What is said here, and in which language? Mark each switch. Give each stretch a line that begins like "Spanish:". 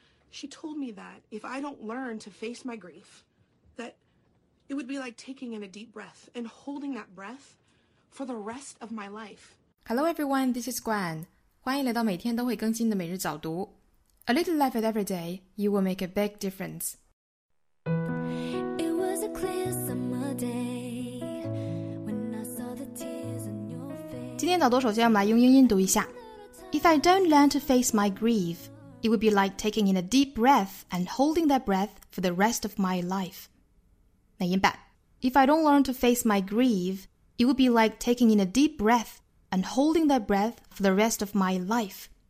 English: She told me that if I don't learn to face my grief, that it would be like taking in a deep breath and holding that breath for the rest of my life. Hello everyone, this is Gwen.
Chinese: 欢迎来到每天都会更新的每日早读。
English: A little life at every day, you will make a big difference. It was a clear summer day when I saw the tears in your face.
Chinese: 今天早读首先我们来用英音读一下。
English: If I don't learn to face my grief, it would be like taking in a deep breath and holding that breath for the rest of my life.
Chinese: 美音版。
English: If I don't learn to face my grief, it would be like taking in a deep breath and holding that breath for the rest of my life.